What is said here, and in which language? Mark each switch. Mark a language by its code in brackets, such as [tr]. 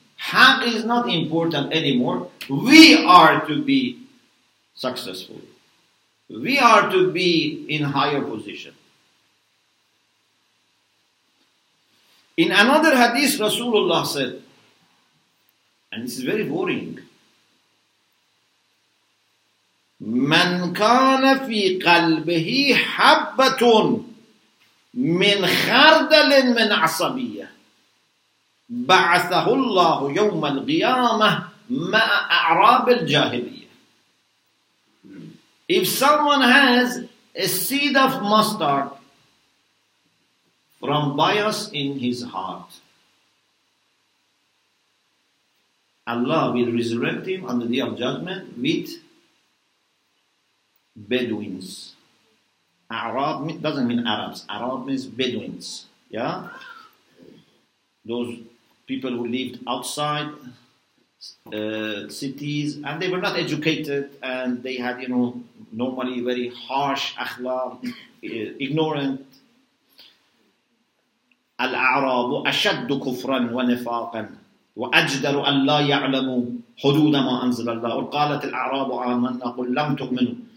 [en] Haq is not important anymore. We are to be successful. We are to be in higher position. In another hadith, Rasulullah said, and this is very boring, [ar] من كان في قلبه حبة من خردل من عصبية بعثه الله يوم القيامة مع أعراب الجاهلية. [en] If someone has a seed of mustard from bias in his heart, Allah will resurrect him on the day of judgment with Bedouins. Arab doesn't mean Arabs. Arab means Bedouins. Yeah? Those people who lived outside cities and they were not educated and they had, you know, normally very harsh akhlaq, ignorant. [ar] الأعراب أشد كفرا ونفاقا وأجدر أن لا يعلموا حدود ما أنزل الله وقالت الأعراب آمنا قل لم تؤمنوا.